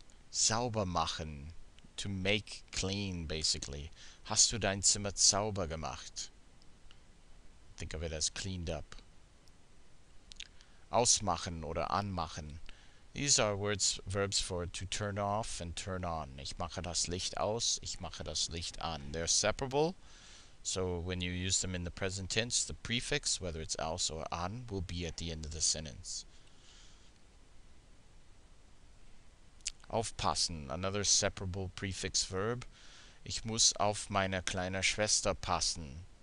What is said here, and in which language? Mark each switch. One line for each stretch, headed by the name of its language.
German: Sauber machen.
English: To make clean, basically.
German: Hast du dein Zimmer sauber gemacht?
English: Think of it as cleaned up.
German: Ausmachen oder anmachen.
English: These are words, verbs for to turn off and turn on.
German: Ich mache das Licht aus, ich mache das Licht an.
English: They're separable, so when you use them in the present tense, the prefix, whether it's aus or an, will be at the end of the sentence.
German: Aufpassen,
English: another separable prefix verb.
German: Ich muss auf meine kleine Schwester passen.